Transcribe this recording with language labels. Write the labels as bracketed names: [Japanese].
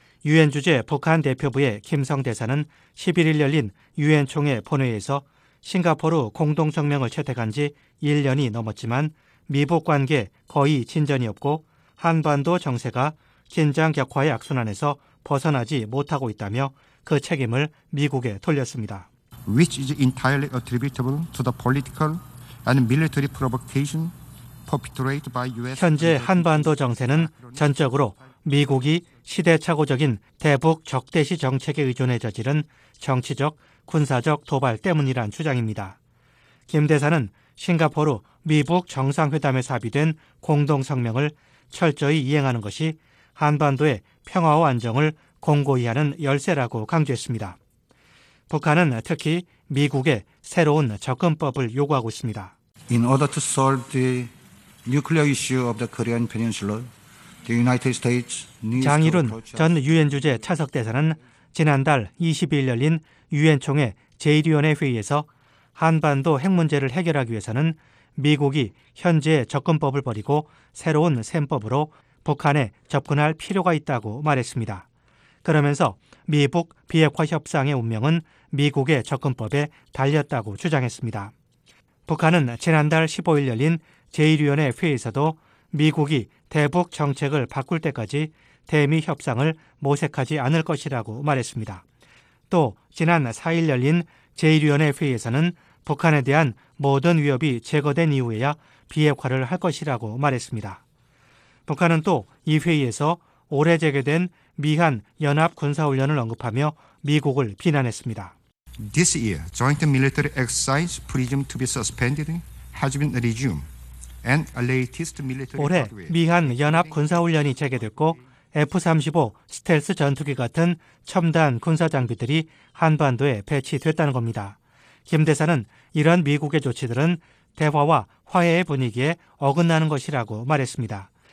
[Korean] 유엔 주재 북한 대표부의 김성 대사는 11일 열린 유엔 총회 본회의에서 싱가포르 공동성명을 채택한 지 1년이 넘었지만 미북 관계 거의 진전이 없고 한반도 정세가 긴장 격화의 악순환에서 벗어나지 못하고 있다며 그 책임을 미국에 돌렸습니다. [English] Which is entirely attributable to the political and military provocation perpetrated by US. [Korean] 현재 한반도 정세는 전적으로 미국이 시대착오적인 대북 적대시 정책에 의존해 저지른 정치적, 군사적 도발 때문이란 주장입니다. 김 대사는 싱가포르 미북 정상회담에서 합의된 공동성명을 철저히 이행하는 것이 한반도의 평화와 안정을 공고히 하는 열쇠라고 강조했습니다. 북한은 특히 미국의 새로운 접근법을 요구하고 있습니다. [English] In order to solve the nuclear issue of the Korean Peninsula, the United States needs [Korean] 장일훈 전 유엔 주재 차석 대사는 지난달 22일 열린 유엔 총회 제1위원회 회의에서 한반도 핵 문제를 해결하기 위해서는 미국이 현재의 접근법을 버리고 새로운 셈법으로 북한에 접근할 필요가 있다고 말했습니다. 그러면서 미북 비핵화 협상의 운명은 미국의 접근법에 달렸다고 주장했습니다. 북한은 지난달 15일 열린 제1위원회 회의에서도 미국이 대북 정책을 바꿀 때까지 대미 협상을 모색하지 않을 것이라고 말했습니다. 또 지난 4일 열린 제1위원회 회의에서는 북한에 대한 모든 위협이 제거된 이후에야 비핵화를 할 것이라고 말했습니다. 북한은 또 이 회의에서 올해 재개된 미한 연합 군사훈련을 언급하며 미국을 비난했습니다. [English] This year, joint military exercise presumed to be suspended has been resumed, and latest military [Korean] 올해 미한 연합 군사훈련이 재개됐고 F-35 스텔스 전투기 같은 첨단 군사 장비들이 한반도에 배치됐다는 겁니다. 김 대사는 이러한 미국의 조치들은 대화와 화해의 분위기에 어긋나는 것이라고 말했습니다.